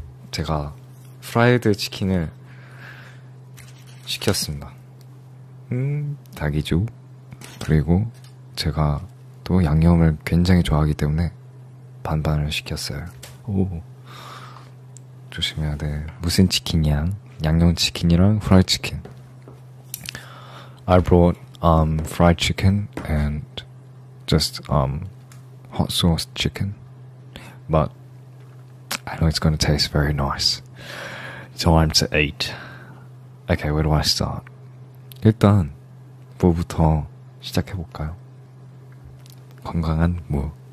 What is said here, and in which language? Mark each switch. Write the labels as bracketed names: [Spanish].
[Korean] 제가 프라이드 치킨을 시켰습니다. 닭이죠. 그리고 제가 또 양념을 굉장히 좋아하기 때문에 반반을 시켰어요. 오. 조심해야 돼. 무슨 치킨이야? 양념치킨이랑 프라이치킨. [English] I brought fried chicken and just hot sauce chicken. But I know it's gonna taste very nice. Time to eat. Okay, where do I start? [Korean] 일단 뭐부터 시작해 볼까요? 건강한 무.